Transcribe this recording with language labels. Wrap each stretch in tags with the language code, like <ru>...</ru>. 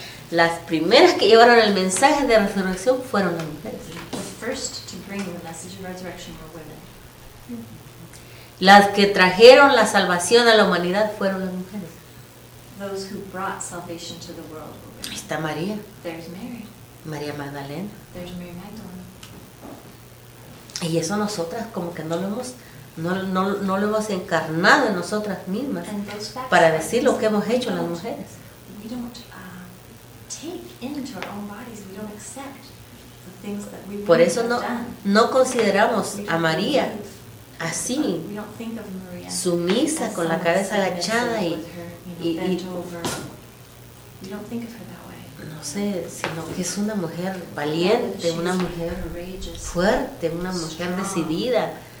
<es>Las primeras que llevaron el mensaje de resurrección fueron las mujeres.</es> <en>The first to bring the message of resurrection were women.</en> <es>Las que trajeron la salvación a la humanidad fueron las mujeres.</es> <en>Those who brought salvation to the world were women.</en> <es>Ahí está María.</es> <en>There's Mary.</en> <es>María Magdalena.</es> <en>There's Mary Magdalene.</en> <es>Y eso nosotras como que no lo hemos encarnado en nosotras mismas para decir lo que hemos hecho las mujeres.</es> <en>We don't take into our own bodies, we don't accept the things that we've done.</en> <es>Por eso no consideramos a María así, sumisa, con la cabeza agachada y no sé, sino que es una mujer valiente, una mujer fuerte, una mujer decidida.</es>